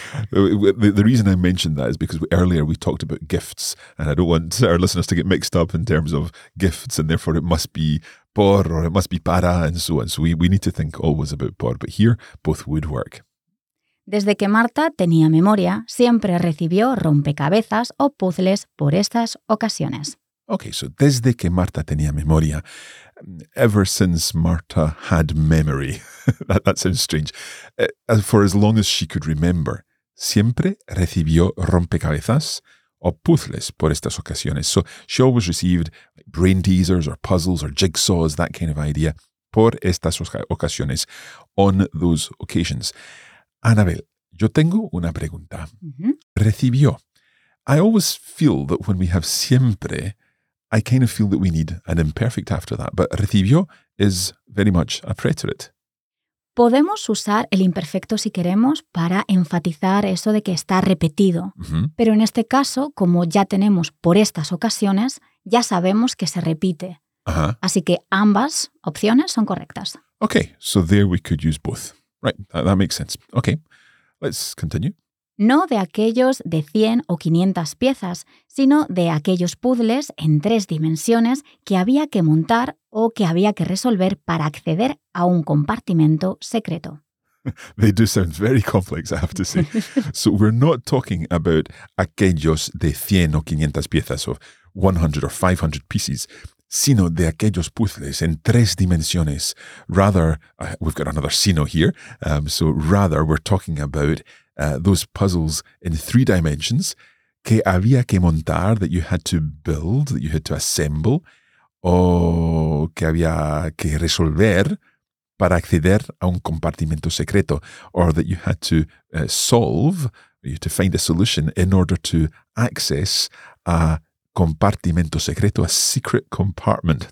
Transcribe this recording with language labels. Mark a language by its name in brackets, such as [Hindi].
[English] The reason I mentioned that is because earlier we talked about gifts, and I don't want our listeners to get mixed up in terms of gifts, and therefore it must be por or it must be para and so on. So we need to think always about por, but here both would work. [Spanish] Desde que Marta tenía memoria, siempre recibió rompecabezas o puzzles por estas ocasiones. [English] Okay, so [Spanish] desde que Marta tenía memoria, [English] ever since Marta had memory, that sounds strange, for as long as she could remember, [Spanish] siempre recibió rompecabezas o puzzles por estas ocasiones. [English] So she always received brain teasers or puzzles or jigsaws, that kind of idea, [Spanish] por estas ocasiones, [English] on those occasions. [Spanish] Anabel, yo tengo una pregunta. Recibió. [English] I always feel that when we have siempre, I kind of feel that we need an imperfect after that, but recibió is very much a preterite. [Spanish] Podemos usar el imperfecto si queremos para enfatizar eso de que está repetido. Uh-huh. Pero en este caso, como ya tenemos por estas ocasiones, ya sabemos que se repite. Uh-huh. Así que ambas opciones son correctas. [English] Okay, so there we could use both. Right, that makes sense. Okay, let's continue. [Spanish] No de aquellos de 100 o 500 piezas, sino de aquellos puzzles en tres dimensiones que había que montar o que había que resolver para acceder a un compartimento secreto. [English] They do sound very complex, I have to say. So we're not talking about [Spanish] aquellos de 100 o 500 piezas, [English] or 100 or 500 pieces, [Spanish] sino de aquellos puzzles en tres dimensiones. [English] Rather, we've got another sino here. So rather, we're talking about those puzzles in three dimensions [Spanish] que había que montar, [English] that you had to build, that you had to assemble, [Spanish] o que había que resolver para acceder a un compartimento secreto, [English] or that you had to solve, you had to find a solution in order to access a compartimento secreto, a secret compartment.